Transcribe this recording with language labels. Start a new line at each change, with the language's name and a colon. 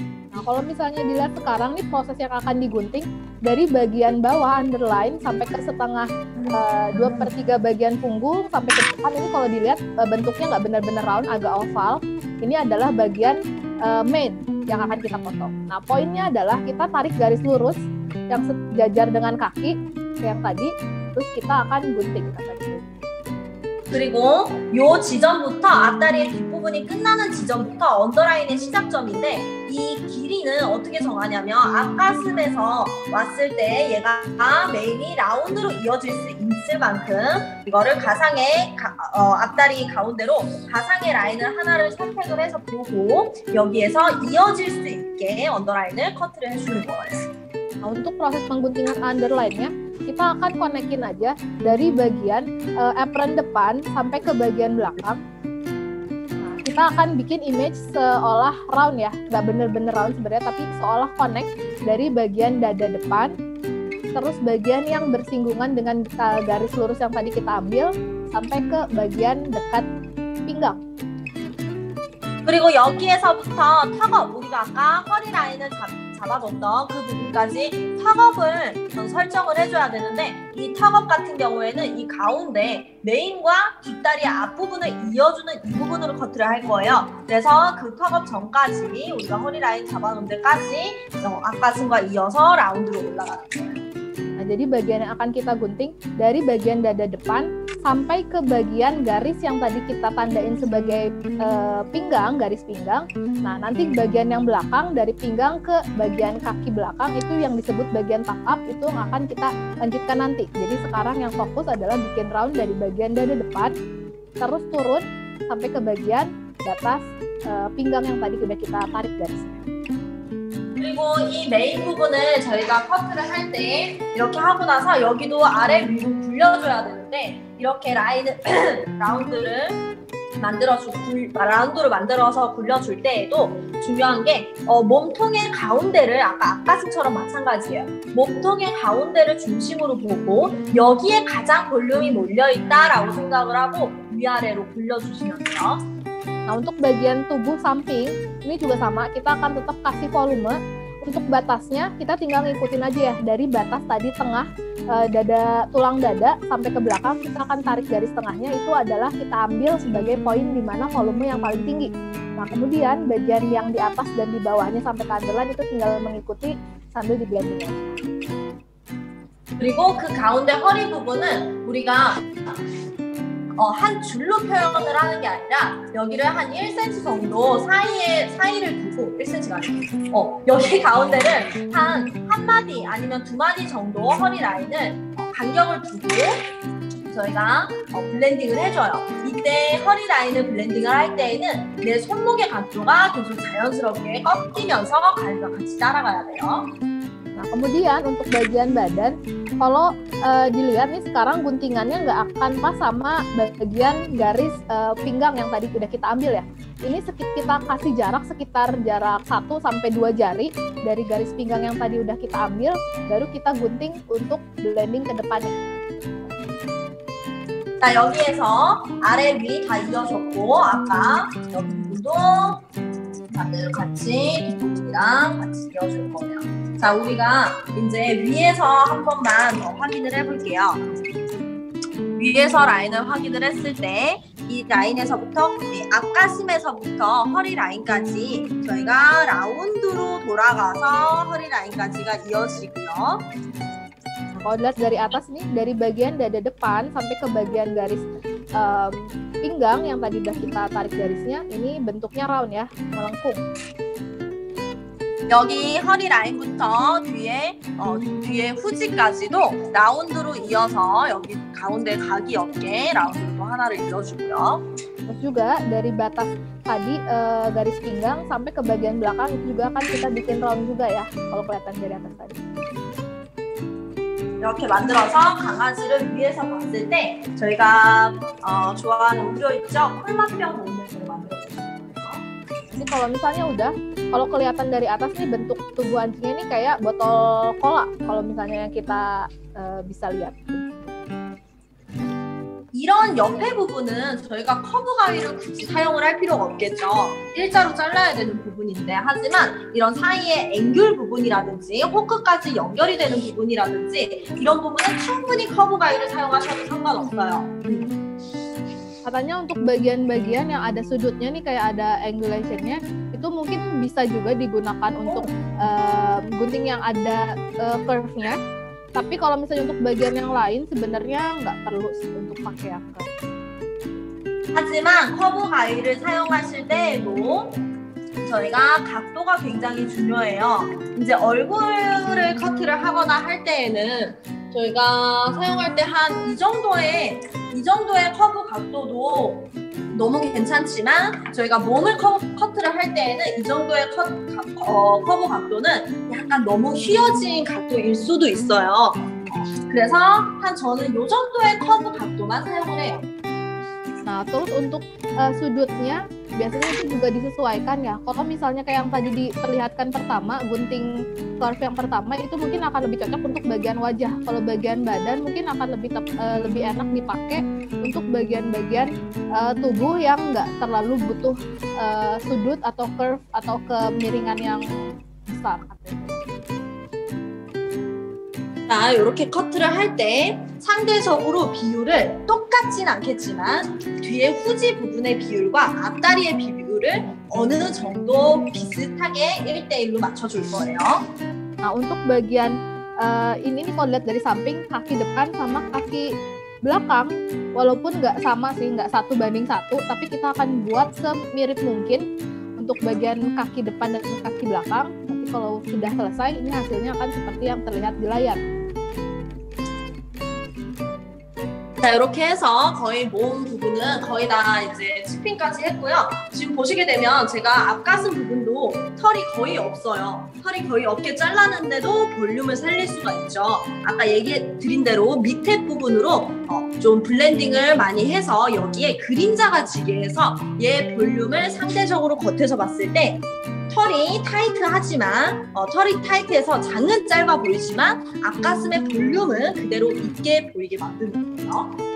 Indonesian: Nah, kalau misalnya dilihat sekarang nih proses yang akan digunting dari bagian bawah underline sampai ke setengah 2/3 bagian punggung sampai ke depan ini kalau dilihat bentuknya nggak benar-benar round, agak oval. Ini adalah bagian mane yang akan kita potong. Nah, poinnya adalah kita tarik garis lurus yang sejajar dengan kaki kayak tadi, terus kita akan gunting.
Korean: 그리고 요 지점부터 앞다리의 뒷부분이 끝나는 지점부터 언더라인의 시작점인데 이 길이는 어떻게 정하냐면 앞가슴에서 왔을 때 얘가 메인이 라운드로 이어질 수 있을 만큼 이거를 가상의 앞다리 가운데로 가상의 라인을 하나를 선택을 해서 보고 여기에서 이어질 수 있게 언더라인을 커트를 해주는 거예요. 아무튼 프로세스 방군팅은 언더라인이야?
Indonesian: Kita akan konekin aja dari bagian apron depan sampai ke bagian belakang. Kita akan bikin image seolah round ya, nggak bener-bener round sebenarnya, tapi seolah connect dari bagian dada depan terus bagian yang bersinggungan dengan garis lurus yang tadi kita ambil sampai ke bagian dekat pinggang.
Korean: 그리고 여기에서부터 턱업, 우리가 아까 허리 라인을 잡아뒀던 그 부분까지 턱업을 좀 설정을 해줘야 되는데 이 턱업 같은 경우에는 이 가운데 메인과 뒷다리 앞부분을 이어주는 이 부분으로 커트를 할 거예요. 그래서 그 턱업 전까지 우리가 허리 라인 잡아놓은 데까지 앞가슴과 이어서 라운드로 올라가는 거예요.
Indonesian: Jadi bagian yang akan kita gunting dari bagian dada depan sampai ke bagian garis yang tadi kita tandain sebagai pinggang, garis pinggang. Nah, nanti bagian yang belakang dari pinggang ke bagian kaki belakang itu yang disebut bagian tuck up, itu yang akan kita lanjutkan nanti. Jadi sekarang yang fokus adalah bikin round dari bagian dada depan, terus turun sampai ke bagian batas pinggang yang tadi sudah kita tarik garisnya.
Korean: 그리고 이 메인 부분을 저희가 커트를 할 때 이렇게 하고 나서 여기도 아래 위로 굴려줘야 되는데 이렇게 라운드를 만들어줄 라운드를 만들어서 굴려줄 때에도 중요한 게 몸통의 가운데를 아까 앞가슴처럼 마찬가지예요. 몸통의 가운데를 중심으로 보고 여기에 가장 볼륨이 몰려있다라고 생각을 하고 위아래로 굴려주시면 돼요.
Indonesian: 나 untuk bagian tubuh samping ini juga sama, kita akan tetap kasih volume. Untuk batasnya kita tinggal ngikutin aja ya, dari batas tadi tengah dada, tulang dada sampai ke belakang kita akan tarik garis tengahnya, itu adalah kita ambil sebagai poin di mana volume yang paling tinggi. Nah kemudian bagian yang di atas dan di bawahnya sampai ke andelan itu tinggal mengikuti sambil dibiarkan.
Korean: 그리고 그 가운데 허리 부분은 우리가 한 줄로 표현을 하는 게 아니라 여기를 한 1cm 정도 사이를 두고 1cm가 아니고 여기 가운데를 한 마디 아니면 두 마디 정도 허리 라인을 간격을 두고 저희가 블렌딩을 해줘요. 이때 허리 라인을 블렌딩을 할 때에는 내 손목의 각도가 계속 자연스럽게 꺾이면서 가위가 같이 따라가야 돼요.
Indonesian: Kemudian untuk bagian badan, kalau dilihat nih sekarang guntingannya nggak akan pas sama bagian garis pinggang yang tadi sudah kita ambil ya. Ini kita kasih jarak sekitar jarak 1-2 jari dari garis pinggang yang tadi udah kita ambil, baru kita gunting untuk blending ke depannya.
Korean: Nah, 여기에서 아래 위 다 이어졌고 아까 여기도 다들 같이 뒷부분이랑 같이 이어줄 거예요. 자, 우리가 이제 위에서 한 번만 더 확인을 해볼게요. 위에서 라인을 확인을 했을 때 이 라인에서부터 이 앞가슴에서부터 허리 라인까지 저희가 라운드로 돌아가서 허리 라인까지가 이어지고요.
Indonesian: Kalau dilihat dari atas nih, dari bagian dada depan sampai ke bagian garis pinggang yang tadi udah kita tarik garisnya, ini bentuknya round ya, melengkung.
Korean: 여기 허리 라인부터 뒤에 뒤에 후지까지도 라운드로 이어서 여기 가운데 각이 없게 라운드로 하나를 이어주고요.
Indonesian: 또 juga dari batas tadi garis pinggang sampai ke bagian belakang itu juga akan kita bikin round juga ya. Kalau kelihatan dari atas tadi.
Korean: 이렇게 만들어서 강아지를 위에서 봤을 때 저희가 좋아하는 우려 있죠? 콜맛병 동물을 만들어 주세요.
Indonesian: 그럼 misalnya udah kalau kelihatan dari atas nih bentuk tubuh anjingnya nih kayak botol cola kalau misalnya yang kita bisa lihat.
Korean: 이런 옆에 부분은 저희가 커브 가위를 굳이 사용을 할 필요가 없겠죠. 일자로 잘라야 되는 부분인데 하지만 이런 사이에 앵귤 부분이라든지 호크까지 연결이 되는 부분이라든지 이런 부분은 충분히 커브 가위를 사용하셔도 상관없어요.
Indonesian: Katanya untuk bagian-bagian yang ada sudutnya nih kayak ada angulation-nya itu mungkin bisa juga digunakan untuk gunting yang ada curve-nya. Tapi kalau misalnya untuk bagian yang lain sebenarnya nggak perlu untuk pakai yang curve.
Korean: 하지만 커브 가위를 사용하실 때에도 저희가 각도가 굉장히 중요해요. 이제 얼굴을 커트를 하거나 할 때에는 저희가 사용할 때 한 이 정도의 커브 각도도 너무 괜찮지만 저희가 몸을 커트를 할 때에는 이 정도의 커브 각도는 약간 너무 휘어진 각도일 수도 있어요. 그래서 한 저는 이 정도의 커브 각도만 사용을 해요.
Indonesian: Nah, terus untuk sudutnya biasanya itu juga disesuaikan ya. Kalau misalnya kayak yang tadi diperlihatkan pertama, gunting curve yang pertama itu mungkin akan lebih cocok untuk bagian wajah. Kalau bagian badan mungkin akan lebih enak dipakai untuk bagian-bagian tubuh yang nggak terlalu butuh sudut atau curve atau kemiringan yang besar.
Korean: Nah, 이렇게 커트를 할 때 상대적으로 비율을 똑같진 않겠지만 뒤에 후지 부분의 비율과 앞다리의 비율을 어느 정도 비슷하게 1:1로 맞춰줄 거예요.
Indonesian: Nah, untuk bagian ini kalau lihat dari samping, kaki depan sama kaki belakang, walaupun nggak sama sih, nggak 1:1, tapi kita akan buat semirip mungkin untuk bagian kaki depan dan kaki belakang. Nanti kalau sudah selesai, ini hasilnya akan seperti yang terlihat di layar.
Korean: 자, 이렇게 해서 거의 몸 부분은 거의 다 이제 스핀까지 했고요. 지금 보시게 되면 제가 앞가슴 부분도 털이 거의 없어요. 털이 거의 없게 잘랐는데도 볼륨을 살릴 수가 있죠. 아까 얘기해 드린 대로 밑에 부분으로 좀 블렌딩을 많이 해서 여기에 그림자가 지게 해서 얘 볼륨을 상대적으로 겉에서 봤을 때 털이 타이트하지만 털이 타이트해서 장은 짧아 보이지만 앞가슴의 볼륨은 그대로 있게 보이게 만듭니다.